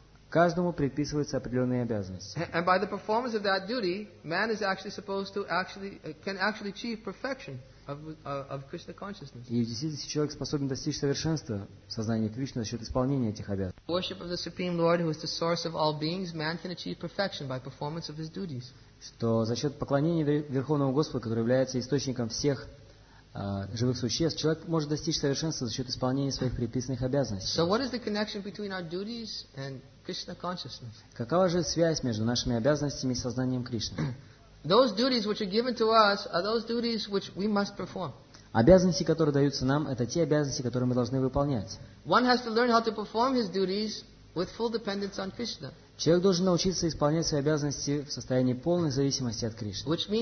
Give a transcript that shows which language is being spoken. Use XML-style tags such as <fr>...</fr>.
<ru>Каждому предписываются определенные обязанности.</ru> <en>And by the performance of that duty, man is actually supposed to actually can actually achieve perfection of Krishna consciousness.</en> <ru>И в действительности человек способен достичь совершенства сознания Кришны за счет исполнения этих обязанностей.</ru> <en>Worship of the Supreme Lord, who is the source of all beings, man can achieve perfection by performance of his duties.</en> <ru>Что за счет поклонения Верховного Господа, который является источником всех живых существ, человек может достичь совершенства за счет исполнения своих предписанных обязанностей.</ru> <en>So what is the connection between our duties and Krishna consciousness?</en> <ru>Какова же связь между нашими обязанностями и сознанием Кришны?</ru> <en>Those duties which are given to us are those duties which we must perform.</en> <ru>Обязанности, которые даются нам, это те обязанности, которые мы должны выполнять.</ru> <en>One has to learn how to perform his duties with full dependence on Krishna.</en> <ru>Человек должен научиться исполнять свои обязанности в состоянии полной зависимости от Кришны.</ru>